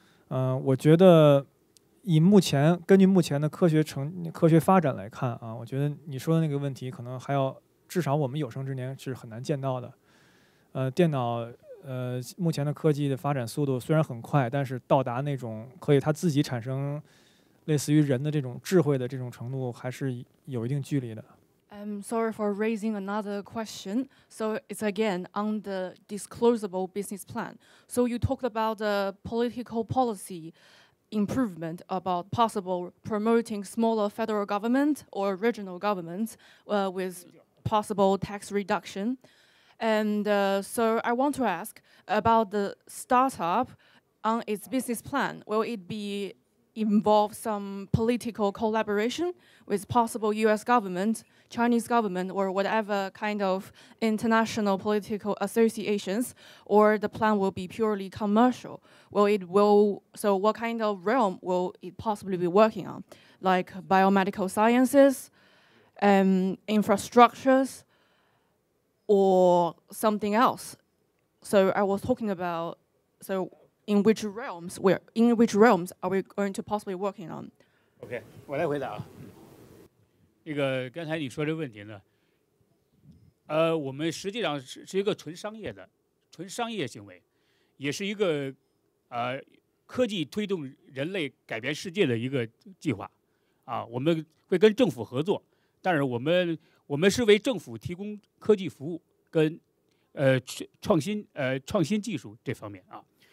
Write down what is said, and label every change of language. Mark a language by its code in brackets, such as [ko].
[zh] 我觉得以目前根据目前的科学发展来看啊，我觉得你说的那个问题可能还要至少我们有生之年是很难见到的。电脑目前的科技的发展速度虽然很快，但是到达那种可以它自己产生类似于人的这种智慧的这种程度还是有一定距离的。 [en] I'm sorry for raising another question. So it's again on the disclosable business plan. So you talked about the political policy improvement about possible promoting smaller federal government or regional government with possible tax reduction. And so I want to ask about the startup on its business plan. Will it be involve some political collaboration with possible U.S. government, Chinese government, or whatever kind of international political associations, or the plan will be purely commercial? So what kind of realm will it possibly be working on? Like biomedical sciences, infrastructures, or something else? So I was talking about, so in which realms are we going to possibly working on? [zh] OK, 我来回答啊。那个刚才你说的问题呢，我们实际上 是一个纯商业行为，也是一个科技推动人类改变世界的一个计划啊。我们会跟政府合作，但是我们是为政府提供科技服务跟创新技术这方面啊。